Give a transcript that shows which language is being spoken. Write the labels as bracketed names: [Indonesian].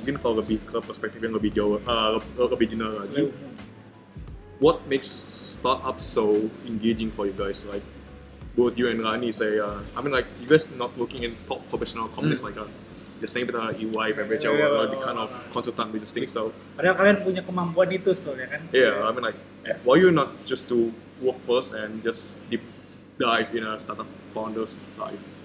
[Indonesian] Mungkin kalau lebih ke perspektif yang lebih jauh, lebih general lagi. [English] What makes startup so engaging for you guys? Like both you and Rani say, I mean, like you guys not working in top professional companies like the same with EY, PPCA, the kind of consultant business thing. So, [Indonesian] padahal kalian punya kemampuan itu, soalnya kan? [English] Yeah, I mean, like why you not just to work first and just deep dive in a startup founder's life?